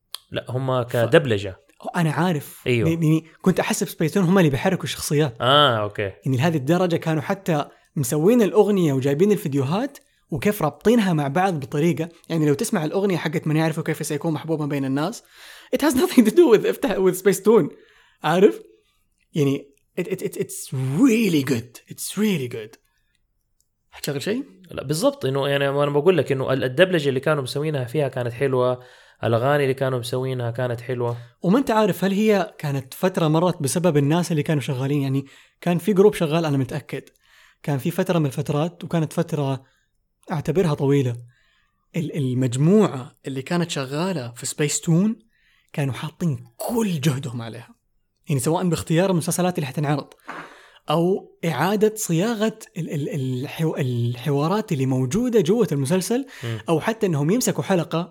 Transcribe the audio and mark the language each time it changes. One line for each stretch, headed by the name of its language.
Arabic: لا هم كدبلجة. أنا عارف. أيوة. يعني كنت أحسب سبيستون هم اللي بيحركوا الشخصيات. أوكي. يعني لهذه الدرجة كانوا حتى مسوين الأغنية وجايبين الفيديوهات وكيف رابطينها مع بعض بطريقة، يعني لو تسمع الأغنية حقت من يعرفه كيف سيكون محبوبا بين الناس.
English: It has nothing to do with Spacetoon.
Arabic: عارف؟ يعني
English: it's really good. It's really good.
Arabic: هتشغل شيء؟ لا بالضبط، إنه يعني أنا بقول لك إنه الدبلجة اللي كانوا مسوينها فيها كانت حلوة، الأغاني اللي كانوا مسوينها كانت حلوة. وما أنت عارف هل هي كانت فترة مرت بسبب الناس اللي كانوا شغالين، يعني كان في جروب شغال أنا متأكد، كان في فترة من الفترات وكانت فترة أعتبرها طويلة، المجموعة اللي كانت شغالة في سبيستون كانوا حاطين كل جهدهم عليها، يعني سواء باختيار المسلسلات اللي حتنعرض أو إعادة صياغة الحوارات اللي موجودة جوة المسلسل، أو حتى أنهم يمسكوا حلقة.